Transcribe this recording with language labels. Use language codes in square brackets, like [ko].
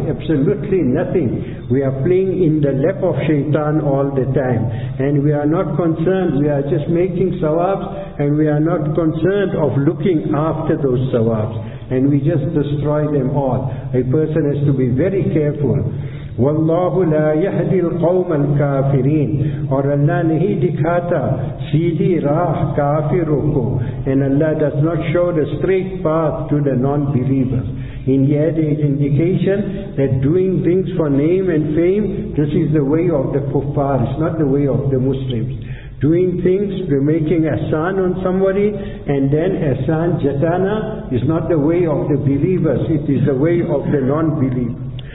[en] Absolutely nothing. We are playing in the lap of shaitan all the time. And we are not concerned. We are just making sawabs. And we are not concerned of looking after those sawabs. And we just destroy them all. A person has to be very careful. [ar] وَاللَّهُ لَا يَهْدِي الْقَوْمَ الْكَافِرِينَ [ur] اور اللہ نہیں دکھاتا سیدھی راہ کافروں کو. [en] And Allah does not show the straight path to the non-believers. In here there is indication that doing things for name and fame, this is the way of the kuffar, it's not the way of the Muslims. Doing things, we're making ahsan on somebody, and then [ur] ahsan jatana [en] is not the way of the believers, it is the way of the non-believers.